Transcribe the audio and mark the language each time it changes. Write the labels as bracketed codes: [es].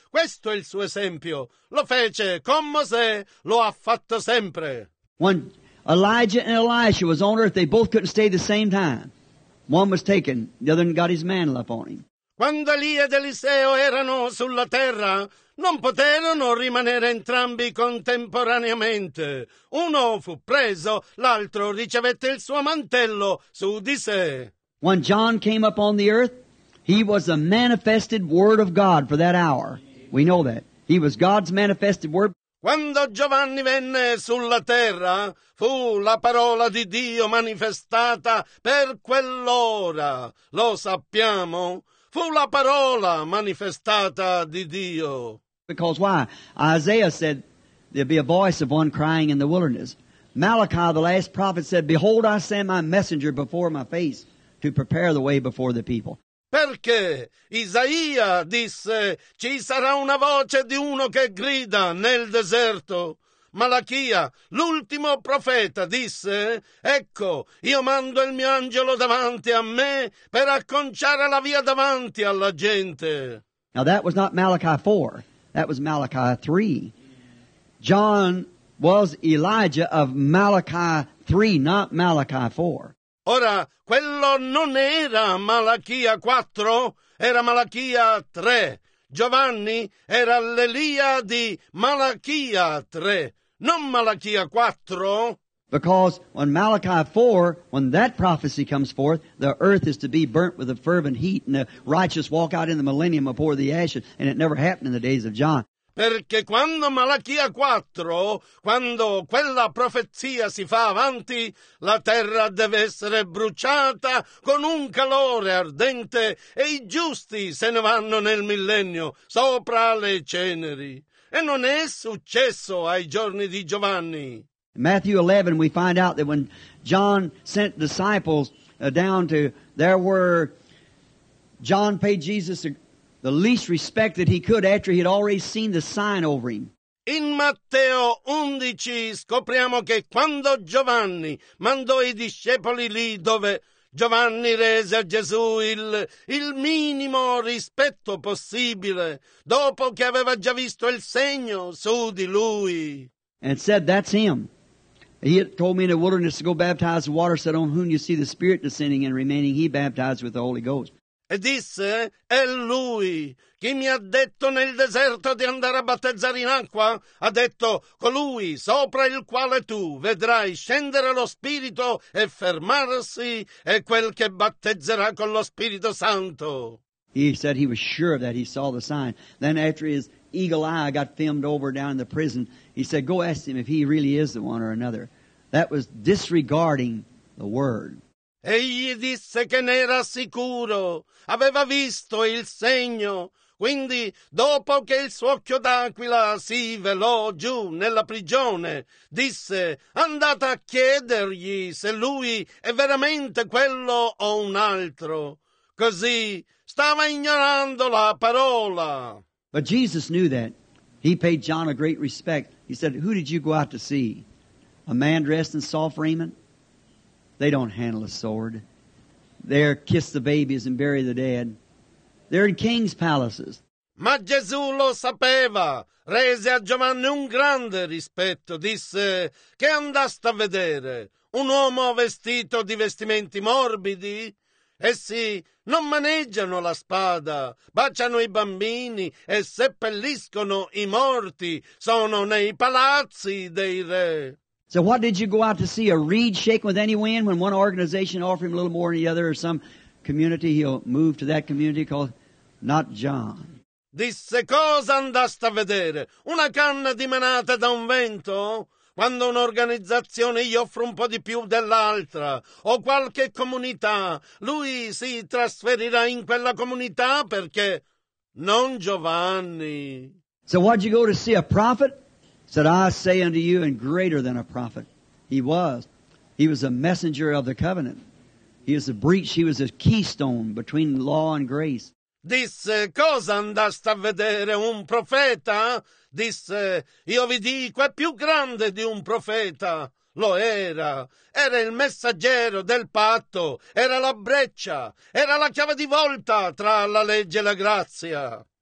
[it] Questo è il suo esempio. Lo fece con Mosè, lo ha fatto sempre. [en] When Elijah and Elisha was on earth, they both couldn't stay the same time. One was taken, the other got his mantle upon him. [it] Quando Elia ed Eliseo erano sulla terra, non poterono rimanere entrambi contemporaneamente. Uno fu preso, l'altro ricevette il suo mantello su di sé. [en] When John came upon the earth, he was a manifested word of God for that hour. We know that. He was God's manifested word. [it] Quando Giovanni venne sulla terra, fu la parola di Dio manifestata per quell'ora. Lo sappiamo. Fu la parola manifestata di Dio. [en] Because why? Isaiah said, there'd be a voice of one crying in the wilderness. Malachi, the last prophet, said, behold, I send my messenger before my face to prepare the way before the people. [it] Perché Isaia disse, ci sarà una voce di uno che grida nel deserto. Malachia, l'ultimo profeta, disse, ecco, io mando il mio angelo davanti a me per acconciare la via davanti alla gente. [en] Now that was not Malachi 4, that was Malachi 3. John was Elijah of Malachi 3, not Malachi 4. [it] Ora, quello non era Malachia 4, era Malachia 3. Giovanni era l'Elia di Malachia 3, non Malachia 4. [en] Because when Malachi 4, when that prophecy comes forth, the earth is to be burnt with a fervent heat, and the righteous walk out in the millennium before the ashes, and it never happened in the days of John. [it] Perché quando Malachia 4, quando quella profezia si fa avanti, la terra deve essere bruciata con un calore ardente e i giusti se ne vanno nel millennio sopra le ceneri. E non è successo ai giorni di Giovanni. [en] In Matthew 11 we find out that when John sent disciples down to, there were, John paid Jesus the least respect that he could after he had already seen the sign over him. [it] In Matteo 11 scopriamo che quando Giovanni mandò i discepoli lì dove Giovanni rese a Gesù il minimo rispetto possibile, dopo che aveva già visto il segno su di lui. [en] And said, that's him. He had told me in the wilderness to go baptize the water, said, on whom you see the Spirit descending and remaining, he baptized with the Holy Ghost. [it] E disse, è lui chi mi ha detto nel deserto di andare a battezzare in acqua. Ha detto, colui sopra il quale tu vedrai scendere lo Spirito e fermarsi è quel che battezzerà con lo Spirito Santo. [en] He said he was sure that he saw the sign. Then after his eagle eye got filmed over down in the prison, he said, go ask him if he really is the one or another. That was disregarding the word. [it] Egli disse che ne era sicuro, aveva visto il segno. Quindi, dopo che il suo occhio d'aquila si velò giù nella prigione, disse, andate a chiedergli se lui è veramente quello o un altro. Così, stava ignorando la parola. [en] But Jesus knew that. He paid John a great respect. He said, who did you go out to see? A man dressed in soft raiment? They don't handle a sword. They're kiss the babies and bury the dead. They're in king's palaces. [it] Ma Gesù lo sapeva. Rese a Giovanni un grande rispetto. Disse, che andaste a vedere? Un uomo vestito di vestimenti morbidi? Essi non maneggiano la spada, baciano i bambini e seppelliscono i morti. Sono nei palazzi dei re. [en] So what did you go out to see? A reed shaken with any wind? When one organization offered him a little more than the other, or some community, he'll move to that community called not John. [it] Disse, cosa andaste a vedere? Una canna dimenata da un vento? Quando un'organizzazione gli offre un po' di più dell'altra, o qualche comunità, lui si trasferirà in quella comunità perché non Giovanni. [en] So what did you go to see? A prophet? Said, I say unto you, and greater than a prophet, he was. He was a messenger of the covenant. He was a breach. He was a keystone between law and grace. [it] Disse, cosa andaste a vedere un profeta? Disse, io vi dico, è più grande di un profeta. Lo era. Era il messaggero del patto. Era la breccia. Era la chiave di volta tra la legge e la grazia.